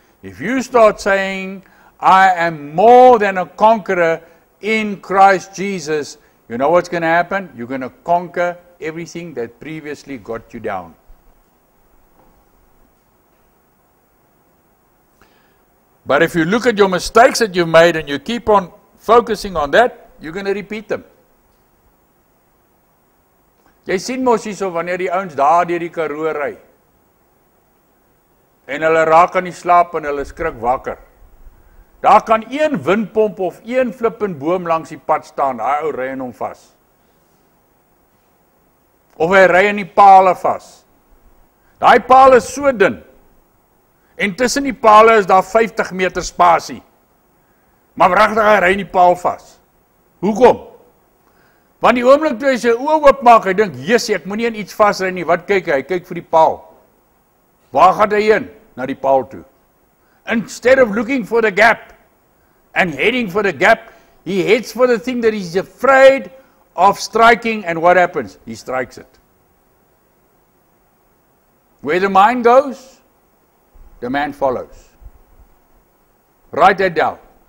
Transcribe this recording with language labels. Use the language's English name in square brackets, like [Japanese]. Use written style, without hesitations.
[English] If you start saying, I am more than a conqueror in Christ Jesus, you know what's going to happen? You're going to conquer everything that previously got you down. But if you look at your mistakes that you've made and you keep on focusing on that, you're going to repeat them. [Afrikaans] Jy sien mos hierso wanneer die ouens daar deur die Karoo ry. En hulle raak aan die slaap en hulle skrik wakker. Daar kan een windpomp of een flippende boom langs die pad staan, daai ou ry in hom vas. Of hy ry in die palle vas. Daai palle is so dun. En tussen die palle is daar 50 meter spasie. Maar wragtig hy ry in die paal vas. Hoekom? Want die oomblik toe hy sy oë oopmaak, hy dink, "Jesus, ek moenie in iets vasry nie." Wat kyk hy? Hy kyk vir die paal. Waar gaan hy heen? Na die paal toe. [English] Instead of looking for the gap and heading for the gap, he heads for the thing that he's afraid of striking, and what happens? He strikes it. Where the mind goes, the man follows. Write that down.